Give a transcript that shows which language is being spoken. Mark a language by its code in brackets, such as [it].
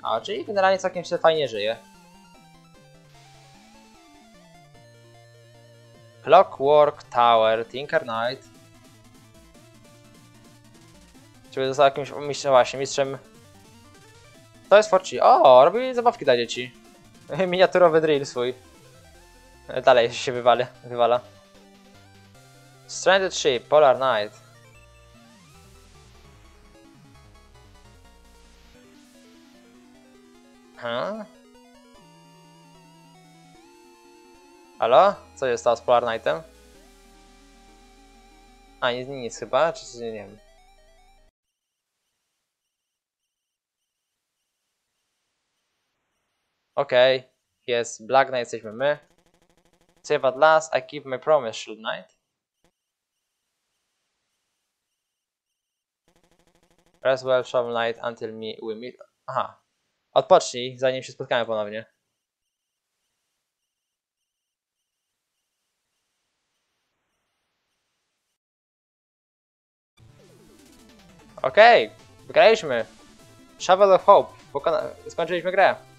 [pl] A, czyli generalnie całkiem się fajnie żyje. [en] Clockwork Tower, Tinker Knight. [pl] Czyli został jakimś mistrzem. To jest Forci. O, robi zabawki dla dzieci. Miniaturowy drill swój. Dalej się wywala. [en] Stranded Ship, Polar Knight. [pl] Halo? Co jest to z Polar Knightem? A, nic chyba, czy coś, nie wiem. Okej, okay. Jest Black Knight, jesteśmy my. [en] Save at last, I keep my promise, Shield Knight. Rest well, Shovel Knight, until we meet. Aha. [pl] Odpocznij, zanim się spotkamy ponownie. Okej, okay. Wygraliśmy. Shovel of Hope. Skończyliśmy grę.